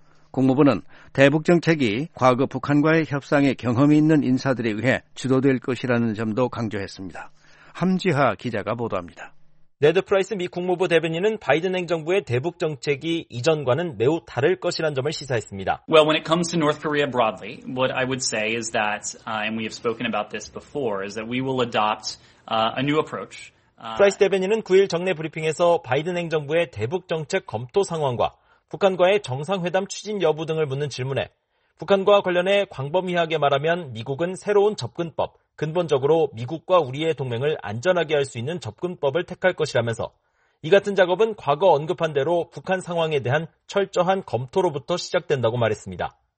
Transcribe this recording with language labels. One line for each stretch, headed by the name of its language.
Korean: 국무부는 대북 정책이 과거 북한과의 협상에 경험이 있는 인사들에 의해 주도될 것이라는 점도 강조했습니다. 함지하 기자가 보도합니다. 네드 프라이스 미 국무부 대변인은 바이든 행정부의 대북 정책이 이전과는 매우 다를 것이라는 점을 시사했습니다.
English: Well, when it comes to North Korea broadly, what I would say is that, and we have spoken about this before, is that we will adopt a new approach.
Korean: 프라이스 대변인은 9일 정례 브리핑에서 바이든 행정부의 대북 정책 검토 상황과 북한과의 정상회담 추진 여부 등을 묻는 질문에 북한과 관련해 광범위하게 말하면 미국은 새로운 접근법, 근본적으로 미국과 우리의 동맹을 안전하게 할 수 있는 접근법을 택할 것이라면서 이 같은 작업은 과거 언급한 대로 북한 상황에 대한 철저한 검토로부터 시작된다고 말했습니다.